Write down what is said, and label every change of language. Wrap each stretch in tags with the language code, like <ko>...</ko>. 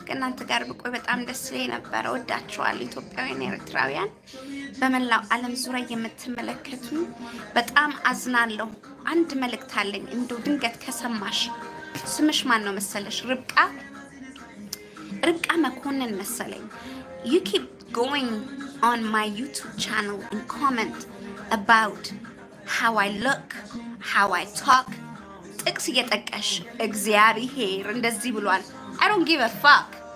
<am>ከእናንተ ጋር ብቆይ በጣም ደስ ይለኝ ነበር። ወዳችኋለሁ። ኢትዮጵያውያን፣ ኤርትራውያን በመላው ዓለም ዙሪያ የምትመለከቱ በጣም አዝናለሁ። አንድ መልእክት አለኝ። እንዶ ድንገት ከሰማሽ ስምሽ ማን ነው መሰለሽ?</am> <en>ርብቃ መኮንን መሰለኝ። You keep going on my YouTube channel and comment about how I look, how I talk.</en> <am>ጥቅስ እየጠቀሽ እግዚአብሔር እንደዚህ ብሏል።</am> <en>I don't give a fuck.</en>